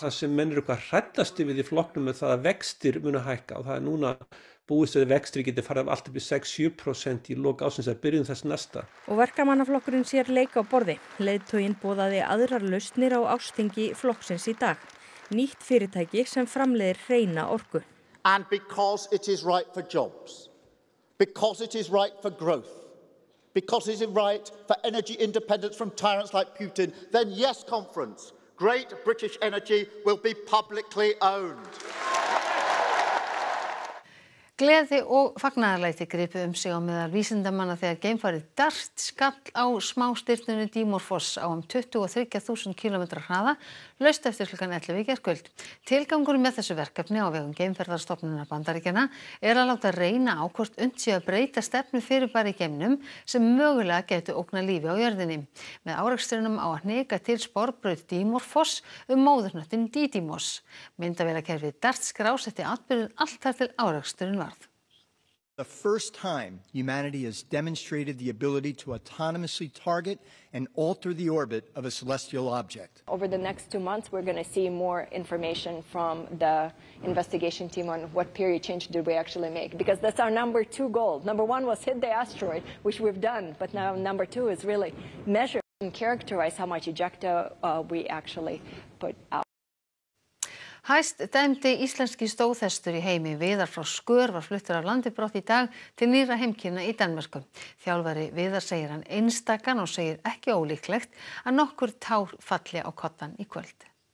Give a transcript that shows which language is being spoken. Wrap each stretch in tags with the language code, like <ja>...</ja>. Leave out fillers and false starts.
<is>Það sem mennir eitthvað hræddast við í flokknum er það að vextir munu hækka og það er núna búist að vextir geti farið af allt upp í 6-7% í lok ársins að byrjun þess næsta. Og verkamannaflokkurinn sér leik á borði. Leiðtoginn boðaði aðrar lausnir á ársþingi flokksins í dag. Nýtt fyrirtæki sem framleiðir hreina orku.</is> <en>And because it is right for jobs, because it is right for growth, because it is right for energy independence from tyrants like Putin, then yes, conference, great British energy will be publicly owned.</en> <is>Gleði og fagnaðarlæti gripu sig á meðal vísindamanna þegar geimfarið DART skall á smástirnunni Dimorphos á 23.000 km hraða, laust eftir klukkan 11 í gærkvöld. Tilgangur með þessu verkefni á vegum geimferðarstofnunar Bandaríkjanna er að láta reyna á hvort unnt sé að breyta stefnu fyrirbæri í geimnum sem mögulega gætu ógna lífi á jörðinni. Með árekstrinum á að hnika til sporbraut Dimorphos móðurhnöttin Didymos. Myndavélakerfið DART skrásetti atburðinn allt þar til árekstur.</is> <en>The first time humanity has demonstrated the ability to autonomously target and alter the orbit of a celestial object. Over the next 2 months, we're going to see more information from the investigation team on what period change did we actually make, because that's our number two goal. Number one was hit the asteroid, which we've done, but now number two is really measure and characterize how much ejecta we actually put out.</en> <is>Hæst dæmdi íslenski stóðhestur í heimi Viðar frá Skör var fluttur af landi brott í dag til nýra heimkynna í Danmörku. Þjálfari Viðar segir hann einstakan og segir ekki ólíklegt að nokkur tár falli á koddan í kvöld.</is>